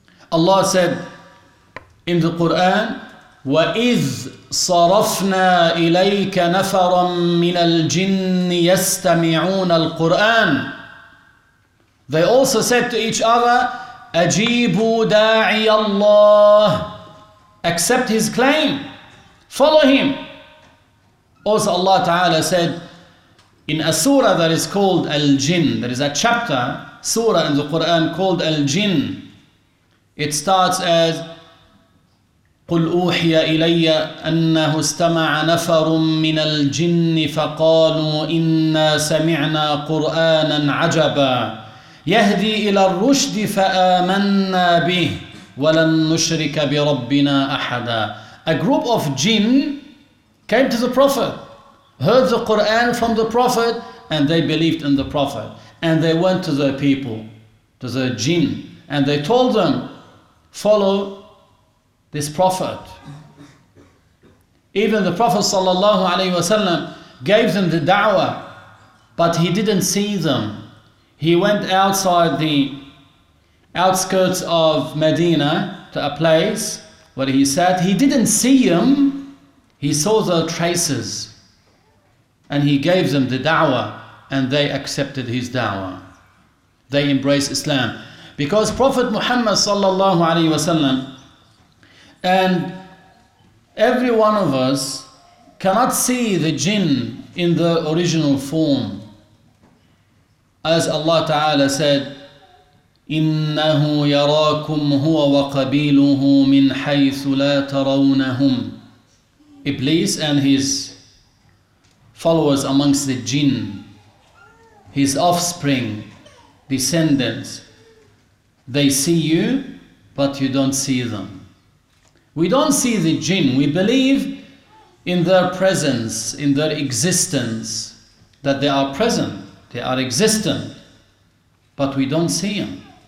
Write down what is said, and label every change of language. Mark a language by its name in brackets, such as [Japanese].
[English] Allah said in the Quran, [Arabic] وَإِذْ صَرَفْنَا إِلَيْكَ نَفَرًا مِنَ الْجِنِّ يَسْتَمِعُونَ الْقُرْآنِ. [English] They also said to each other, [Arabic] أَجِيبُوا دَاعِيَ اللَّهِ. [English] Accept his claim. Follow him. Also Allah Ta'ala said, in a surah that is called Al-Jinn, there is a chapter, surah in the Quran called Al-Jinn. It starts as, [Arabic] قُلْ أُوحِيَ إِلَيَّ أَنَّهُ اسْتَمَعَ نَفَرٌ مِّنَ الْجِنِّ فَقَالُوا إِنَّا سَمِعْنَا قُرْآنًا عَجَبًا يَهْدِي إِلَى الرُّشْدِ فَآمَنَّا بِهِ وَلَنْ نُشْرِكَ بِرَبِّنَا أَحَدًا. [English] A group of jinn came to the Prophet, heard the Quran from the Prophet, and they believed in the Prophet. And they went to their people, to their jinn, and they told them, follow this Prophet. Even the Prophet sallallahu alaihi wasallam gave them the da'wah, but he didn't see them. He went outside the outskirts of Medina to a place where he sat. He didn't see them. He saw the traces and he gave them the da'wah and they accepted his da'wah. They embraced Islam because Prophet Muhammad sallallahu alaihi wasallam and every one of us cannot see the jinn in the original form. As Allah Ta'ala said, [Arabic] إِنَّهُ يَرَاكُمْ هُوَ وَقَبِيلُهُ مِنْ حَيْثُ لَا تَرَوْنَهُمْ. [English] Iblis and his followers amongst the jinn, his offspring, descendants, they see you, but you don't see them. We don't see the jinn. We believe in their presence, in their existence, that they are present, they are existent, but we don't see them.